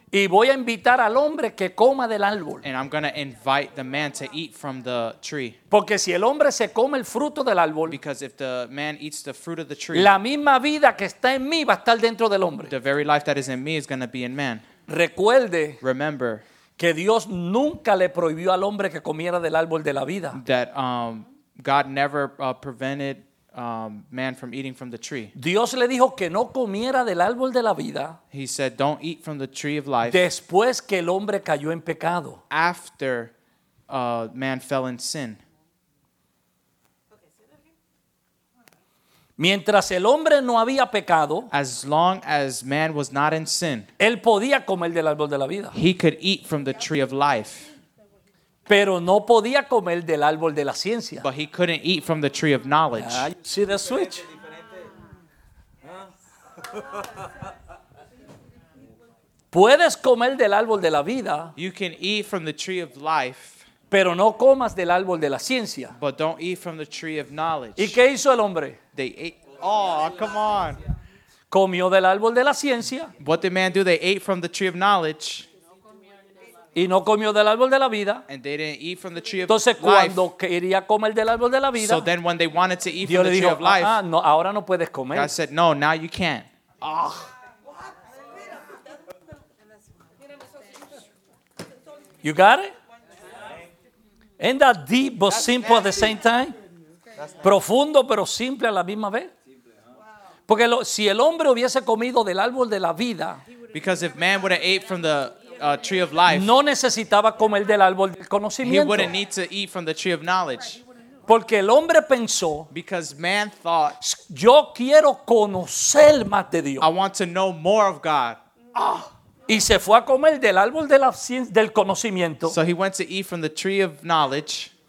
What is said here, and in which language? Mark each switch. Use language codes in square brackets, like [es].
[es] Y voy a invitar al hombre que coma del árbol. [en] And I'm going to invite the man to eat from the tree. [es] Porque si el hombre se come el fruto del árbol, [en] because if the man eats the fruit of the tree, [es] la misma vida que está en mí va a estar dentro del hombre. [en] The very life that is in me is going to be in man. [es] Recuerde, [en] remember, [es] que Dios nunca le prohibió al hombre que comiera del árbol de la vida. [en] That God never prevented man from eating from the tree. [es] Dios le dijo que no comiera del árbol de la vida. [en] He said, "Don't eat from the tree of life." [es] Después que el hombre cayó en pecado. [en] After man fell in sin. [es] Mientras el hombre no había pecado, [en] as long as man was not in sin, [es] él podía comer del árbol de la vida. [en] He could eat from the tree of life. [es] Pero no podía comer del árbol de la ciencia. [en] But he couldn't eat from the tree of knowledge. See the switch? [es] Puedes comer del árbol de la vida. [en] You can eat from the tree of life. [es] Pero no comas del árbol de la ciencia. [en] But don't eat from the tree of knowledge. [es] ¿Y qué hizo el hombre? [en] They ate. Oh, come on. [es] Comió del árbol de la ciencia. [en] What did man do? They ate from the tree of knowledge. [es] Y no comió del árbol de la vida. [en] And they didn't eat from the tree of [es] Entonces, cuando [en] life, [es] quería comer del árbol de la vida, [en] so then when they wanted to eat [es] Dios [en] from the [es] dijo, [en] tree of life, [es] ah, no, ahora no puedes comer. [en] God said, no, now you can't. Oh. You got it? Ain't that deep but That's simple nasty. At the same time? [es] Profundo pero simple a la misma vez. Porque si el hombre hubiese comido del árbol de la vida, [en] because if man would have ate from the tree of life, [es] no necesitaba comer del árbol del conocimiento. [en] He wouldn't need to eat from the tree of knowledge. [es] Porque el hombre pensó, [en] because man thought, [es] yo quiero conocer más de Dios. [en] I want to know more of God. Oh. [es] Y se fue a comer del árbol de la, del conocimiento. [en] So he went to eat from the tree of knowledge.